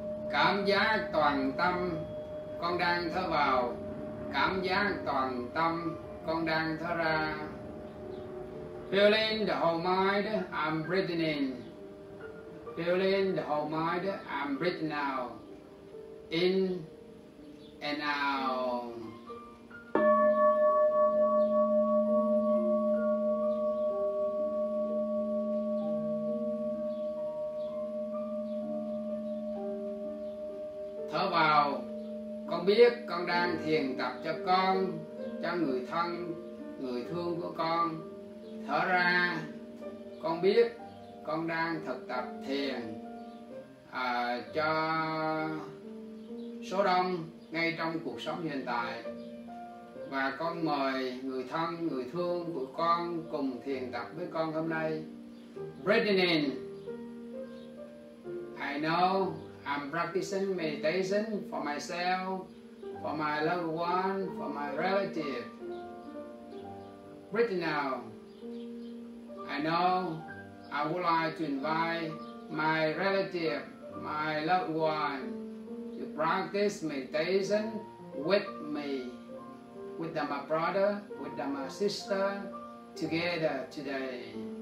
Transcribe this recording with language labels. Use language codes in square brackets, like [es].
[vi] Cảm giác toàn tâm, con đang thở vào. Cảm giác toàn tâm, con đang thở ra. [en] Feeling the whole mind, I'm breathing in. feeling the whole mind, I'm breathing out, in and out. [vi] Thở vào, con biết con đang thiền tập cho con, cho người thân, người thương của con. Thở ra, con biết con đang thực tập thiền cho số đông ngay trong cuộc sống hiện tại. Và con mời người thân, người thương của con cùng thiền tập với con hôm nay. [en] Breathing in, I know I'm practicing meditation for myself, for my loved one, for my relative. Breathing out, I know I would like to invite my relative, my loved one, to practice meditation with me, with my brother, with my sister, together today.